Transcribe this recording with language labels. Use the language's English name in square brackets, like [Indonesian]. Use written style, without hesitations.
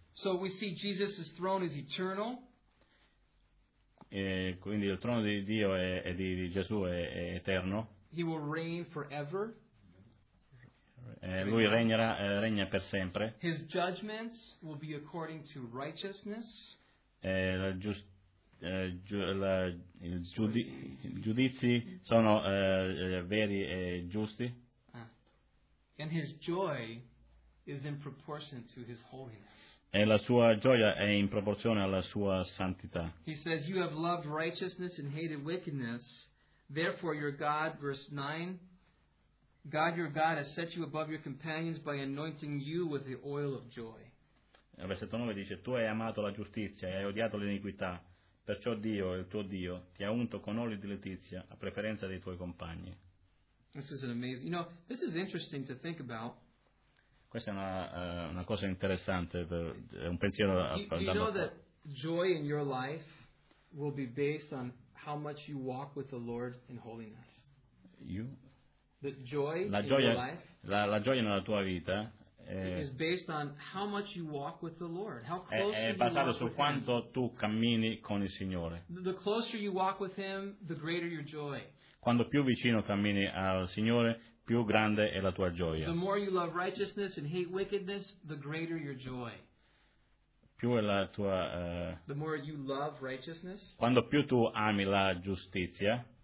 [English] So we see Jesus' throne is eternal. [Italian] Quindi il trono di Dio e di Gesù è eterno. [English] He will reign forever. [Italian] Lui regna per sempre. [English] His judgments will be according to righteousness. [Italian] I giudizi sono veri e giusti. [English] And his joy is in proportion to his holiness. [Italian] E la sua gioia è in proporzione alla sua santità. [English] He says, "You have loved righteousness and hated wickedness. Therefore your God," verse 9, "God your God has set you above your companions by anointing you with the oil of joy." [Italian] Il versetto 9 dice: tu hai amato la giustizia e hai odiato l'iniquità, perciò Dio, il tuo Dio, ti ha unto con olio di letizia a preferenza dei tuoi compagni. [English] This is an amazing, you know, this is interesting to think about. [Italian] Questa è una cosa interessante, è un pensiero [English] da you know that joy in your life will be based on how much you walk with the Lord in holiness. You? The joy [Italian] La gioia nella tua vita [English] is based on how much you walk with the Lord. How close [Italian] è basato su quanto tu cammini con il Signore. [English] The closer you walk with him, the greater your joy. [Italian] Quando più vicino cammini al Signore, più grande è la tua gioia. [English] The more you love righteousness and hate wickedness, the greater your joy. [Italian] Più è la tua [English] The more you love righteousness, [Italian] quando più tu ami la giustizia